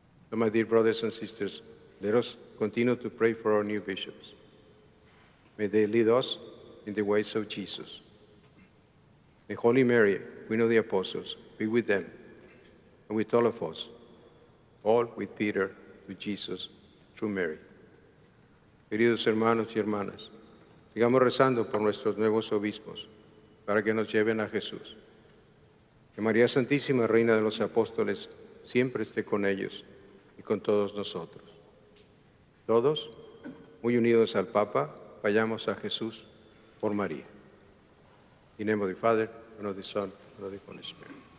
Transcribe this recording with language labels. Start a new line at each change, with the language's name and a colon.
English: So my dear brothers and sisters, let us continue to pray for our new bishops. May they lead us in the ways of Jesus. May Holy Mary, Queen of the Apostles, be with them and with all of us, all with Peter, with Jesus, through Mary.
Spanish: Queridos hermanos y hermanas, sigamos rezando por nuestros nuevos obispos para que nos lleven a Jesús. Que María Santísima, Reina de los Apóstoles, siempre esté con ellos y con todos nosotros. Todos, muy unidos al Papa, vayamos a Jesús por María.
English: In the name of the Father, and of the Son, and of the Holy Spirit.